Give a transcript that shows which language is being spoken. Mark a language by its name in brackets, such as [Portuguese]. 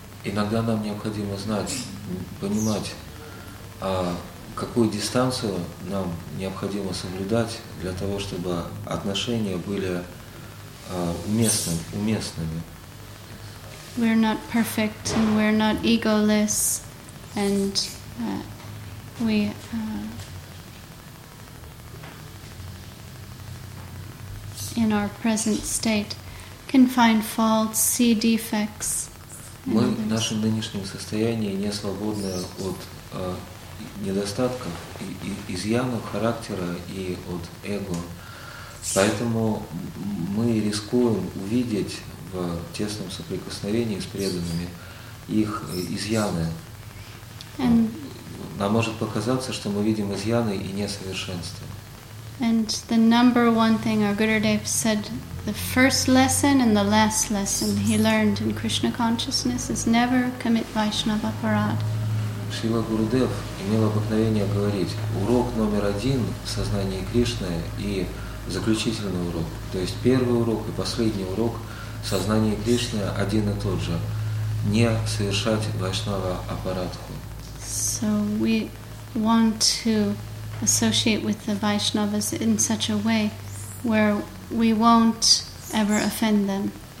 [Russian] Иногда нам необходимо знать, понимать, какую дистанцию нам необходимо соблюдать для того, чтобы отношения были уместными. [English] We're not perfect and we're not egoless, and we in our present state can find faults, see defects. [Russian] Мы в нашем нынешнем состоянии не свободны от недостатков, изъянов характера и от эго. Поэтому мы рискуем увидеть в тесном соприкосновении с преданными их изъяны. Нам может показаться, что мы видим изъяны и несовершенства. [English] And the number one thing our Gurudev said, the first lesson and the last lesson he learned in Krishna consciousness is never commit Vaishnava parad. [Russian] Шрила Гурудев имел обыкновение говорить: урок номер один в сознании Кришны и заключительный урок, то есть первый урок и последний урок в сознании Кришны один и тот же: не совершать Вайшнава апарадху. [English] So we want to associate with the Vaishnavas in such a way where we won't ever offend them.